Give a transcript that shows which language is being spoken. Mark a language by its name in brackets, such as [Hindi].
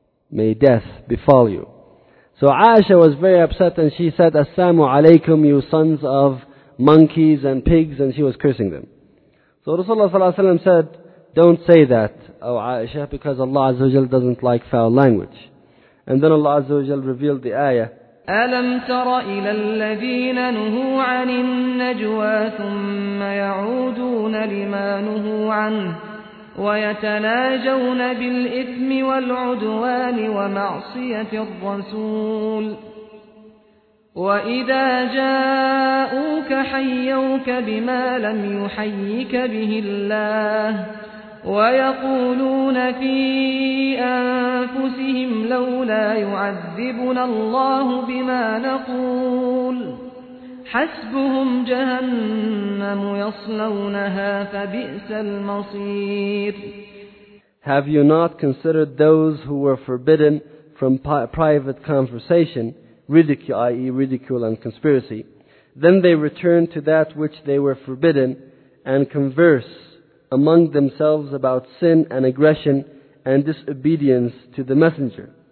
[English] May death befall you. So Aisha was very upset and she said, Assalamu alaykum, you sons of monkeys and pigs, and she was cursing them. So Rasulullah ﷺ said, don't say that, O Aisha, because Allah Azza wa Jal doesn't like foul language. And then Allah Azza wa Jal revealed the ayah, [Arabic] أَلَمْ تَرَ إِلَى الَّذِينَ نُهُوا عَنِ النَّجْوَى ثُمَّ يَعُودُونَ لِمَا نُهُوا عَنْهُ ويتناجون بالإثم والعدوان ومعصية الرسول وإذا جاءوك حيوك بما لم يحيك به الله ويقولون في أنفسهم لولا يعذبنا الله بما نقول حسبهم جهنم يصلونها فبئس المصير. [English] Have you not considered those who were forbidden from private conversation, ridicule, i.e. ridicule and conspiracy? Then they return to that which they were forbidden and converse among themselves about sin and aggression and disobedience to the messenger.